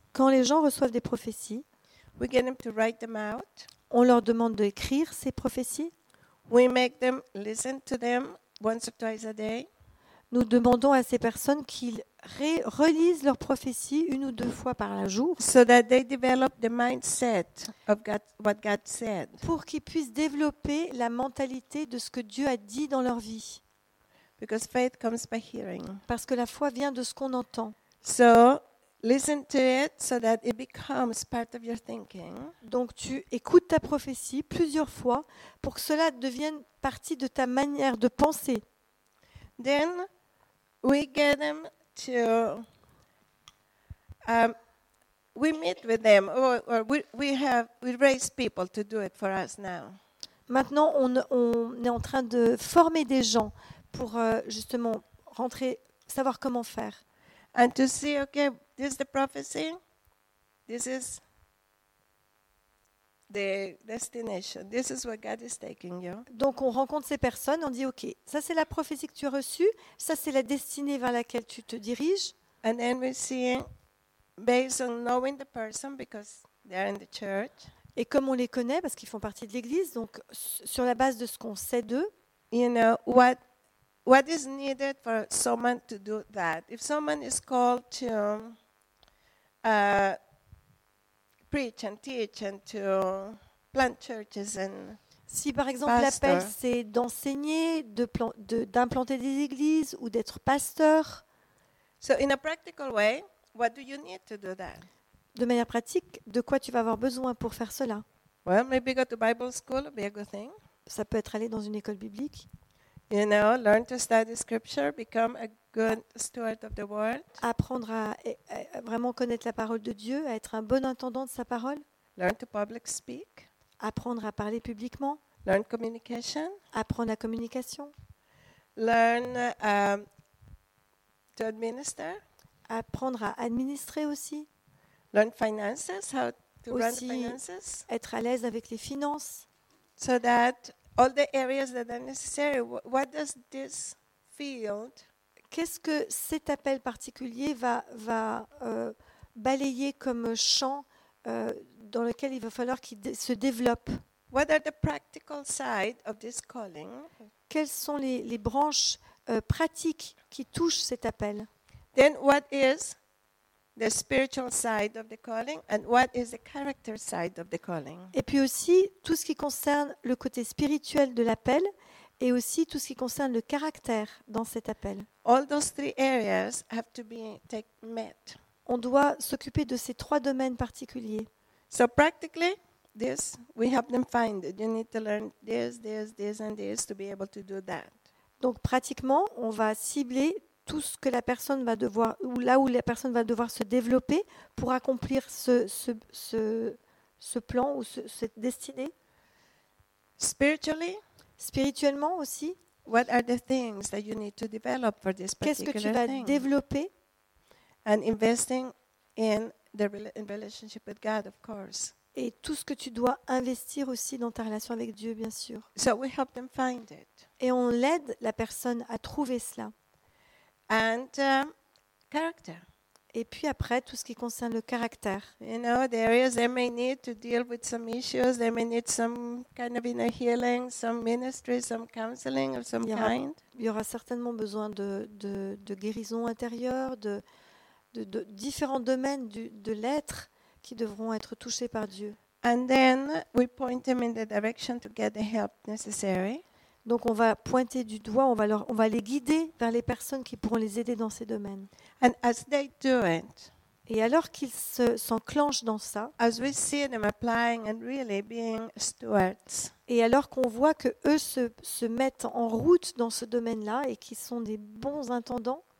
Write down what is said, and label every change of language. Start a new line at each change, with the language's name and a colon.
French: quand les gens reçoivent des prophéties,
English: we get them to write them out.
French: On leur demande d'écrire ces prophéties.
English: We make them listen to them once or twice a day.
French: Nous demandons à ces personnes qu'ils relisent leurs prophéties une ou deux fois par jour.
English: So that they develop the mindset of God, what God said.
French: Pour qu'ils puissent développer la mentalité de ce que Dieu a dit dans leur vie.
English: Because faith comes by hearing.
French: Parce que la foi vient de ce qu'on entend.
English: So listen to it so that it becomes part of your thinking.
French: Donc tu écoutes ta prophétie plusieurs fois pour que cela devienne partie de ta manière de penser.
English: Then we get them to we meet with them or we raise people to do it for us now.
French: Maintenant on est en train de former des gens pour justement rentrer savoir comment faire.
English: And to see, okay, this is the prophecy. This is the destination. This is where God is taking you.
French: Donc, on rencontre ces personnes. On dit, ok, ça c'est la prophétie que tu as reçue. Ça c'est la destinée vers laquelle tu te diriges.
English: And then we see, based on knowing the person, because they are in the church.
French: Et comme on les connaît, parce qu'ils font partie de l'église, donc sur la base de ce qu'on sait d'eux.
English: You know what What is needed for someone to do that? If someone is called to preach and teach and to plant churches and
French: si par exemple
English: pastor,
French: l'appel c'est d'enseigner, d'implanter des églises ou d'être pasteur.
English: So in a practical way, what do you need to do that?
French: De manière pratique, de quoi tu vas avoir besoin pour faire cela?
English: Well, maybe go to Bible school, be a good thing.
French: Ça peut être aller dans une école biblique.
English: You know, learn to study scripture, become a good steward of the word.
French: Apprendre à vraiment connaître la parole de Dieu, à être un bon intendant de sa parole.
English: Learn to public speak.
French: Apprendre à parler publiquement.
English: Learn communication.
French: Apprendre la communication.
English: Learn to administer.
French: Apprendre à administrer aussi.
English: Learn finances, how to aussi run the finances.
French: Être à l'aise avec les finances.
English: So that all the areas that are necessary, what does this field?
French: Qu'est-ce que cet appel particulier va balayer comme champ dans lequel il va falloir qu'il se développe?
English: What are the practical side of this calling?
French: Quelles sont les branches pratiques qui touchent cet appel?
English: Then what is the spiritual side of the calling and what is the character side of the calling?
French: Et puis aussi tout ce qui concerne le côté spirituel de l'appel et aussi tout ce qui concerne le caractère dans cet appel.
English: All those three areas have to be met.
French: On doit s'occuper de ces trois domaines particuliers.
English: So practically this we help them find it. You need to learn this, this, this and this to be able to do that.
French: Donc pratiquement, on va cibler tout ce que la personne va devoir, ou là où la personne va devoir se développer pour accomplir ce plan ou cette destinée.
English: Spiritually,
French: spirituellement aussi,
English: what are the things that you need to develop for this particular thing?
French: Qu'est-ce que tu vas
English: thing?
French: Développer?
English: And investing in the relationship with God, of course.
French: Et tout ce que tu dois investir aussi dans ta relation avec Dieu, bien sûr.
English: So we help them find it.
French: Et on l'aide la personne à trouver cela.
English: And character.
French: Et puis après tout ce qui concerne le caractère.
English: You know, the areas they may need to deal with some issues. They may need some kind of inner healing, some ministry, some counseling of some kind.
French: Il y aura certainement besoin de guérison intérieure, de différents domaines de l'être qui devront être touchés par Dieu.
English: And then we point them in the direction to get the help necessary.
French: Donc on va pointer du doigt, on va les guider vers les personnes qui pourront les aider dans ces domaines.
English: And as they do it,
French: et alors qu'ils s'enclenchent dans ça,
English: as we see them applying and really being stewards,
French: et alors qu'on voit qu'eux se mettent en route dans ce domaine-là et qu'ils sont des bons intendants,